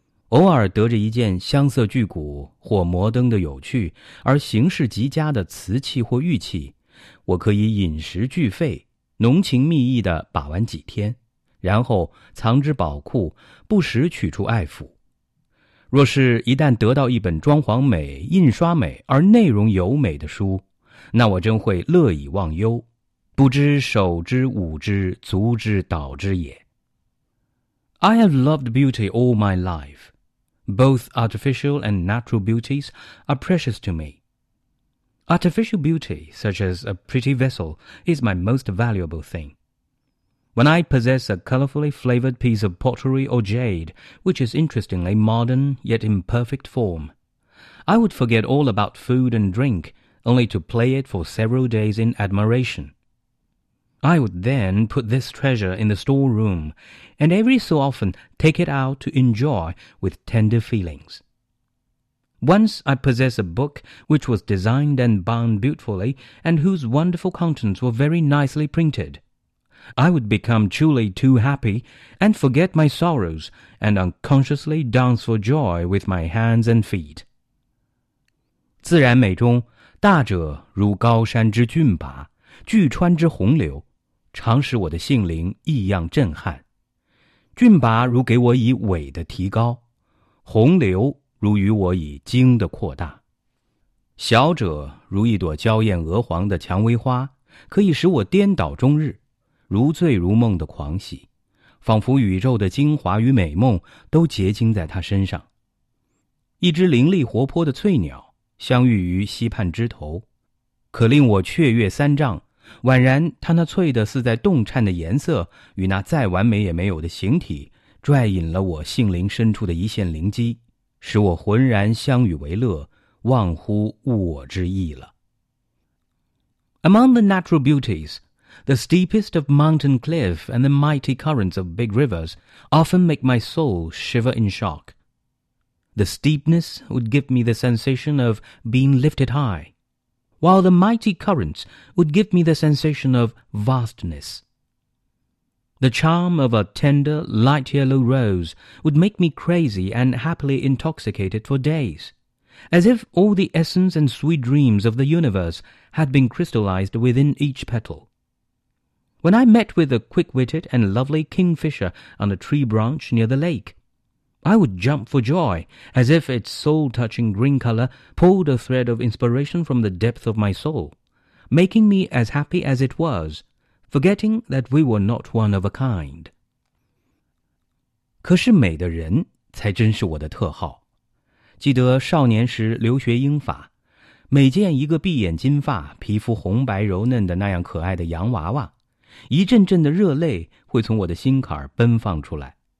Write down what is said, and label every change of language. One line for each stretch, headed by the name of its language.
Chinese: 偶尔得着一件镶色巨骨或摩登的有趣而形式极佳的瓷器或玉器，我可以饮食俱废，浓情蜜意地把玩几天，然后藏之宝库，不时取出爱抚。若是一旦得到一本装潢美、印刷美而内容优美的书，那我真会乐以忘忧，不知手之舞之足之蹈之也。
English: I have loved beauty all my life. Both artificial and natural beauties are precious to me. Artificial beauty, such as a pretty vessel, is my most valuable thing. When I possess a colorfully flavored piece of pottery or jade, which is interestingly modern yet in perfect form, I would forget all about food and drink, only to play it for several days in admiration. I would then put this treasure in the storeroom, and every so often take it out to enjoy with tender feelings. Once I possess a book which was designed and bound beautifully, and whose wonderful contents were very nicely printed, I would become truly too happy, and forget my sorrows, and unconsciously dance for joy with my hands and feet.
Chinese: 自然美中，大者如高山之峻拔，巨川之洪流，常使我的性灵异样震撼。峻拔如给我以伟的提高，洪流如与我以精的扩大。小者如一朵娇艳鹅黄的蔷薇花，可以使我颠倒终日，如醉如梦的狂喜，仿佛宇宙的精华与美梦都结晶在他身上。一只灵力活泼的翠鸟相遇于溪畔枝头，可令我雀跃三丈，宛然他那翠的似在动颤的颜色与那再完美也没有的形体，拽引了我性灵深处的一线灵机，使我浑然相与为乐，忘乎物我之意了。
English: Among the natural beauties, the steepest of mountain cliff and the mighty currents of big rivers often make my soul shiver in shock. The steepness would give me the sensation of being lifted high. While the mighty currents would give me the sensation of vastness. The charm of a tender, light yellow rose would make me crazy and happily intoxicated for days, as if all the essence and sweet dreams of the universe had been crystallized within each petal. When I met with a quick-witted and lovely kingfisher on a tree branch near the lake, I would jump for joy, as if its soul-touching green color pulled a thread of inspiration from the depth of my soul, making me as happy as it was, forgetting that we were not one of a kind.
Chinese: 可是美的人才真是我的特号。记得少年时留学英法，每见一个闭眼金发、皮肤红白柔嫩的那样可爱的洋娃娃，一阵阵的热泪会从我的心坎奔放出来。